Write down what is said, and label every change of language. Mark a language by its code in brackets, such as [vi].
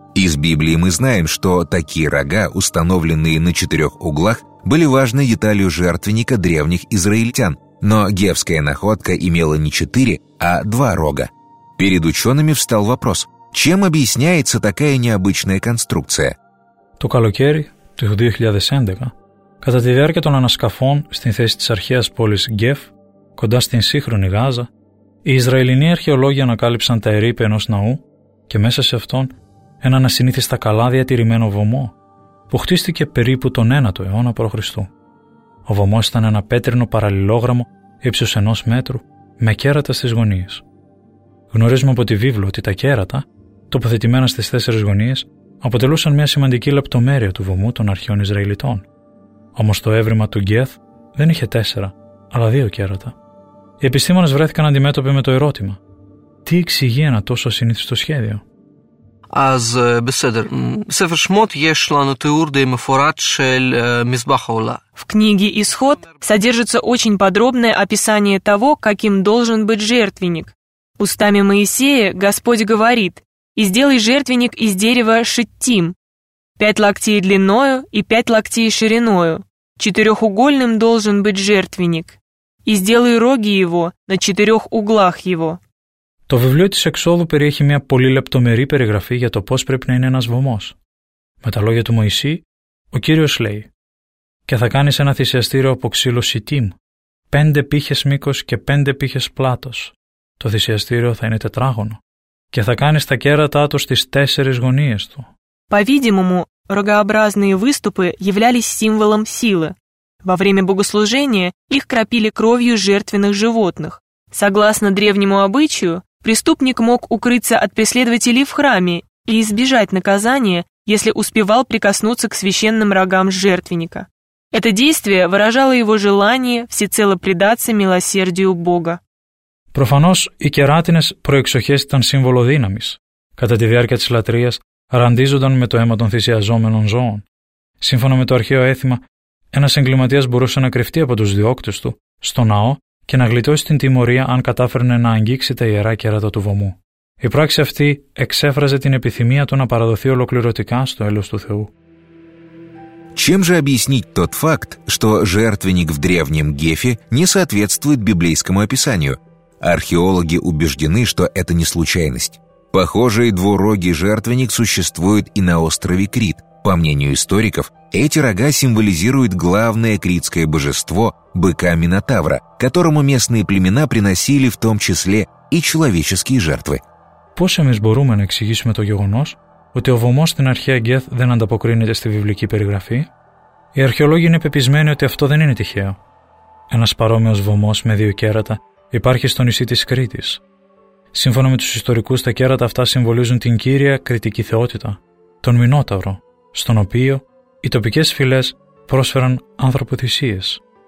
[ru] Из Библии мы знаем, что такие рога, установленные на четырех углах, были важной деталью жертвенника древних израильтян, но гефская находка имела не четыре, а два рога. Перед учеными встал вопрос, чем объясняется такая необычная конструкция? [el] Το καλοκαίρι του 2011, κατά τη διάρκεια των ανασκαφών στην θέση της αρχαίας πόλης Γκεφ, κοντά στην σύγχρονη Γάζα, οι Ισραηλινοί αρχαιολόγοι ανακάλυψαν τα ερείπια ενός ναού και μέσα σε αυτόν έναν ασυνήθιστα καλά διατηρημένο βωμό, που χτίστηκε περίπου τον 9ο αιώνα π.Χ. Ο βωμός ήταν ένα πέτρινο παραλληλόγραμμο ύψους ενός μέτρου με κέρατα στις γωνίες. Γνωρίζουμε από τη Βίβλο ότι τα κέρατα, τοποθετημένα στις τέσσερις γωνίες, αποτελούσαν μια σημαντική λεπτομέρεια του βωμού των αρχαίων Ισραηλιτών. Όμως το έβριμα του Γκέθ δεν είχε τέσσερα, αλλά δύο κέρατα. Οι επιστήμονες βρέθηκαν αντιμέτωποι με το ερώτημα: τι εξηγεί ένα τόσο ασυνήθιστο σχέδιο? Ας беседер. Σε φερσμότ ешла на теурде и мефорат шель мизбахаула. [ru] В книге «Исход» содержится очень подробное описание того, каким должен быть жертвенник. Устами Моисея Господь говорит: «И сделай жертвенник из дерева шиттим, 5 локтей длиною и 5 локтей шириною. Четырехугольным должен быть жертвенник. И сделай роги его на 4 углах его». [el] Το βιβλίο της Εξόδου περιέχει μια πολύ λεπτομερή περιγραφή για το πώς πρέπει να είναι ένας βωμός. Με τα λόγια του Μωυσή, ο Κύριος λέει: «Και θα κάνεις ένα θυσιαστήριο από ξύλο σιτίμ, 5 πύχες μήκος και 5 πύχες πλάτος. Το θυσιαστήριο θα είναι τετράγωνο. Και θα κάνεις τα κέρατά του στις 4 γωνίες του». [ru] По-видимому, рогообразные выступы являлись символом силы. Во время богослужения их кропили кровью жертвенных животных. Согласно древнему обычаю, преступник мог укрыться от преследователей в храме и избежать наказания, если успевал прикоснуться к священным рогам жертвенника. Это действие выражало его желание всецело предаться милосердию Бога. [el] Προφανώς, οι κεράτινες προεξοχές ήταν σύμβολο δύναμης. Κατά τη διάρκεια της λατρείας, ραντίζονταν με το αίμα των θυσιαζόμενων ζώων. Σύμφωνα με το αρχαίο έθιμα, ένας εγκληματίας μπορούσε να κρυφτεί από τους διώκτες του στο ναό και να γλιτώσει την τιμωρία αν κατάφερνε να αγγίξει τα ιερά κέρατα του βωμού. Η πράξη αυτή εξέφραζε την επιθυμία του να παραδοθεί ολοκληρωτικά στο έλεος του Θεού. [ru] Чем же объяснить тот факт, что жертвенник в древнем Гефе не соответствует библейскому описанию? Археологи убеждены, что это не случайность. Похожий двурогий жертвенник существует и на острове Крит. По мнению историков, эти рога символизируют главное критское божество – быка Минотавра, которому местные племена приносили в том числе и человеческие жертвы. [el] Πώς εμείς μπορούμε να εξηγήσουμε το γεγονός ότι ο βωμός στην αρχαία Γκέθ δεν ανταποκρίνεται στη βιβλική περιγραφή? Οι αρχαιολόγοι είναι πεπισμένοι ότι αυτό δεν είναι τυχαίο. Ένας παρόμοιος βωμός με 2 κέρατα υπάρχει στο νησί της Κρήτης. Σύμφωνα με τους ιστορικούς, τα κέρατα αυτά συμβολίζουν την κύρια κριτική θεότητα, τον Μινόταυρο, στον οποίο οι τοπικές φυλές πρόσφεραν ανθρωποθυσίες.